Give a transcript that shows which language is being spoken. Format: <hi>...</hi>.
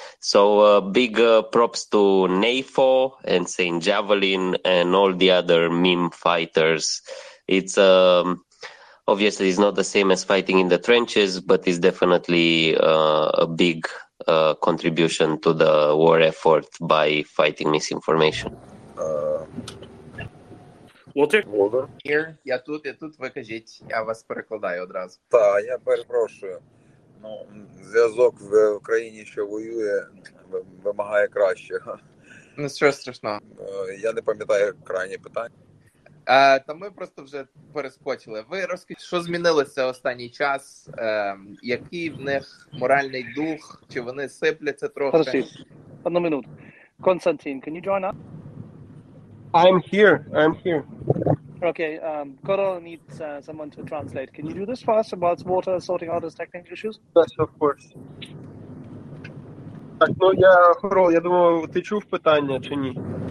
<en>So big props to NAFO and Saint Javelin and all the other meme fighters. It's obviously it's not the same as fighting in the trenches, but it's definitely a big contribution to the war effort by fighting misinformation. Walter? Here,</en> <uk>я тут, викажіть, я вас перекладаю одразу. Так, я перепрошую. Ну, зв'язок в Україні, що воює, вимагає кращого. Ну, що страшного? Я не пам'ятаю крайнє питання. Та ми просто вже перескочили. Ви розкажіть, що змінилося останній час? Який в них моральний дух? Чи вони сипляться трохи? Хороші, одну минуту. Константин,</uk> <en>can you join us? I'm here. Okay, Koro needs someone to translate. Can you do this for us about water sorting out his technical issues? Yes, of course.</en> <uk>Так, ну я, Коро, я думаю, ти чув питання чи ні?</uk>